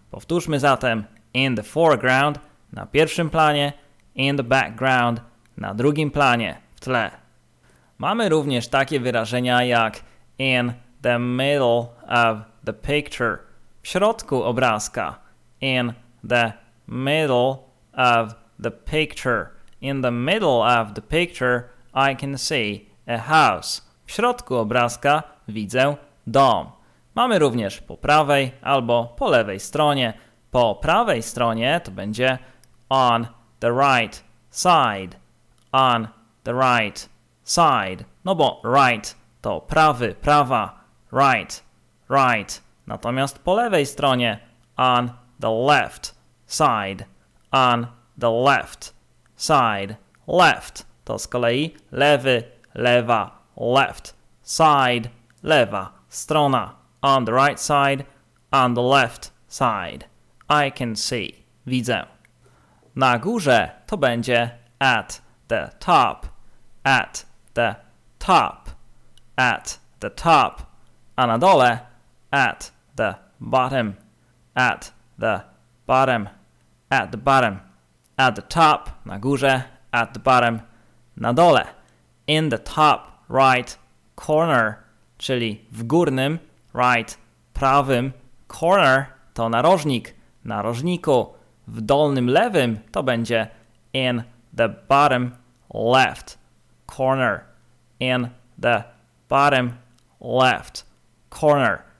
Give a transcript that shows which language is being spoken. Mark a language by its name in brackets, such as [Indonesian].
[Polish] Powtórzmy zatem, [English] in the foreground, [Polish] na pierwszym planie, [English] in the background, [Polish] na drugim planie, w tle. Mamy również takie wyrażenia jak [English] in the middle of the picture, [Polish] w środku obrazka. [English] In the middle of the picture, in the middle of the picture, I can see a house. [Polish] W środku obrazka widzę dom. Mamy również po prawej albo po lewej stronie. Po prawej stronie to będzie [English] on the right side, on the right side, [Polish] no bo [English] right [Polish] to prawy, prawa, [English] right, right. [Polish] Natomiast po lewej stronie, [English] on the left side, on the left side, left. [Polish] To z kolei lewy, lewa, [English] left side, [Polish] lewa, strona. [English] On the right side, on the left side. I can see, [Polish] widzę. Na górze to będzie [English] at the top, at the top, at the top, [Polish] a na dole [English] at the bottom, at the bottom, at the bottom, at the top, [Polish] na górze, [English] at the bottom, [Polish] na dole. [English] In the top right corner, [Polish] czyli w górnym, right, prawym, corner to narożnik, narożniku. W dolnym lewym to będzie [English] in the bottom left corner, in the bottom left corner.